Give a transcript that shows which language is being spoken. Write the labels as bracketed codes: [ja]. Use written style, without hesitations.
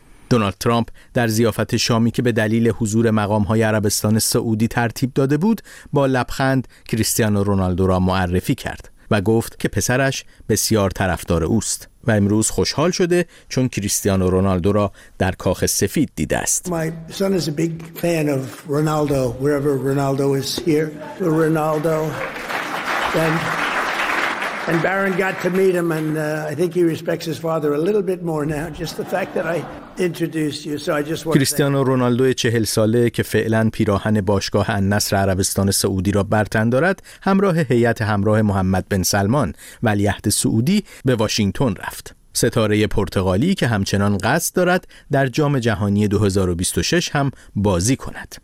[fa] دونالد ترامپ در ضیافت شامی که به دلیل حضور مقام‌های عربستان سعودی ترتیب داده بود، با لبخند کریستیانو رونالدو را معرفی کرد و گفت که پسرش بسیار طرفدار اوست و امروز خوشحال شده چون کریستیانو رونالدو را در کاخ سفید دیده است. [en] My son is a big fan of Ronaldo wherever Ronaldo is here. The Ronaldo and Baron got to meet him and I think he respects his father a little bit more now just the fact that I introduced you. So I just want [fa] کریستیانو رونالدو 40 ساله که فعلا پیراهن باشگاه النصر عربستان سعودی را بر تن دارد، همراه هیئت همراه محمد بن سلمان ولیعهد سعودی به واشنگتن رفت. ستاره پرتغالی که همچنان قصد دارد در جام جهانی 2026 هم بازی کند.